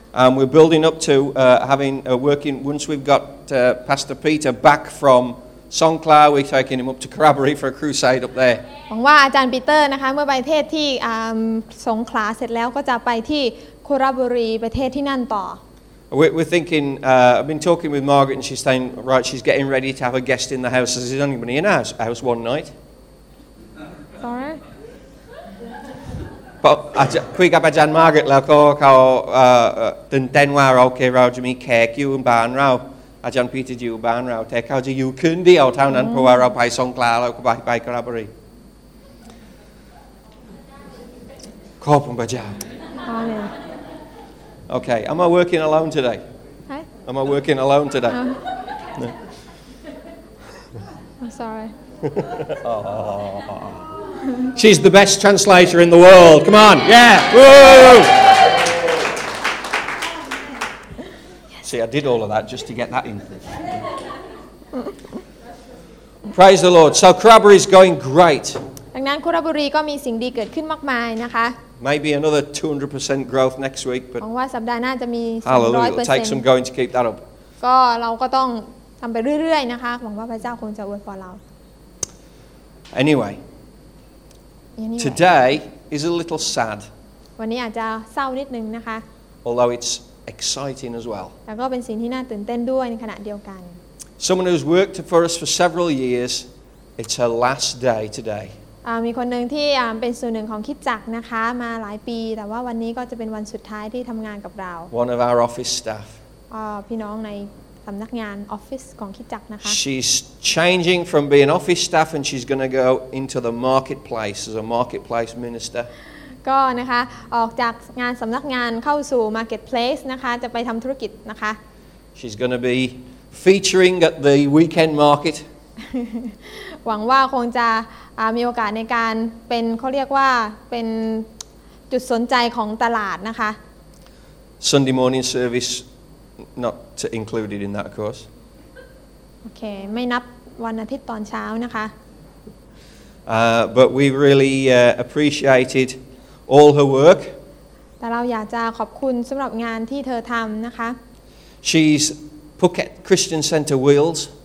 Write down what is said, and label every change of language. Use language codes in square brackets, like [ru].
[en] And we're building up to working once we've got Pastor Peter back from Songkla, we're taking him up to Corroboree for a crusade up there. [th] หวังว่าอาจารย์ปีเตอร์นะคะเมื่อไปเทศที่สงขลาเสร็จแล้วก็จะไปที่โคราชบุรีประเทศที่นั่นต่อ [en] We're thinking I've been talking with Margaret and she's saying right she's getting ready to have a guest in the house is there anybody in our house one night sorry [th] but คุยกับอาจารย์มาร์เกตแล้วก็เขาตื่นเต้นว่าโอเคเราจะมีแขกอยู่บ้านเราอาจารย์ปีเตอร์อยู่บ้านเราแต่เขาจะอยู่คืนเดียวเท่านั้นเพราะว่าเราไปสงขลาเราก็ไปโคราชบุรีขอบคุณพระเจ้า [en] Okay, am I working alone today? Huh? Am I working alone today? No. I'm sorry. She's the best translator in the world. Come on, yeah. Woo! See, I did all of that just to get that in. Praise the Lord. So Corroboree is going great. [th] ดังนั้นโคราชบุรีก็มีสิ่งดีเกิดขึ้นมากมายนะคะ [en] Maybe another 200% growth next week, but [th] ว่าสัปดาห์หน้าจะมี [en] 200% It'll take some going to keep that up. [th] ก็เราก็ต้องทำไปเรื่อยๆนะคะหวังว่าพระเจ้าคงจะอวยพรเรา [en] Anyway, today is a little sad. [th] วันนี้อาจจะเศร้านิดนึงนะคะ [en] Although it's exciting as well. [th] แล้วก็เป็นสิ่งที่น่าตื่นเต้นด้วยในขณะเดียวกัน [en] Someone who's worked for us for several years, it's her last day today. [th] มีคนหนึ่งที่เป็นส่วนหนึ่งของคิดจักนะคะมาหลายปีแต่ว่าวันนี้ก็จะเป็นวันสุดท้ายที่ทำงานกับเรา [en] One of our office staff [th] พี่น้องในสำนักงานออฟฟิศของคิดจักนะคะ [en] She's changing from being office staff and she's going to go into the marketplace as a marketplace minister [th] ก็นะคะออกจากงานสำนักงานเข้าสู่ marketplace นะคะจะไปทำธุรกิจนะคะ [en] She's going to be featuring at the weekend market. [th] หวังว่าคงจะมีโอกาสในการเป็นเขาเรียกว่าเป็นจุดสนใจของตลาดนะคะ [en] Sunday morning service not to included in that of course. [th] Okay, ไม่นับวันอาทิตย์ตอนเช้านะคะ [en] But we really appreciated all her work. [th] แต่เราอยากจะขอบคุณสำหรับงานที่เธอทำนะคะ [en] She's Phuket Christian Center Wheels.